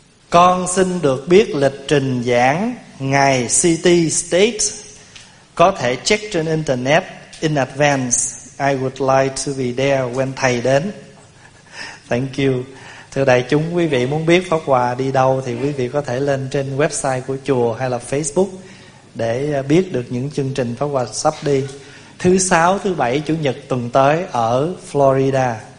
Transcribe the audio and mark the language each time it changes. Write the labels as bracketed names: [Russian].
[Vietnamese] Con xin được biết lịch trình giảng ngày City State, có thể check trên internet [English] in advance. I would like to be there when [Vietnamese] thầy đến. [English] Thank you. [Vietnamese] Thưa đại chúng, quý vị muốn biết Pháp Hòa đi đâu thì quý vị có thể lên trên website của chùa hay là Facebook để biết được những chương trình Pháp Hòa sắp đi. Thứ sáu, thứ bảy, chủ nhật tuần tới ở Florida.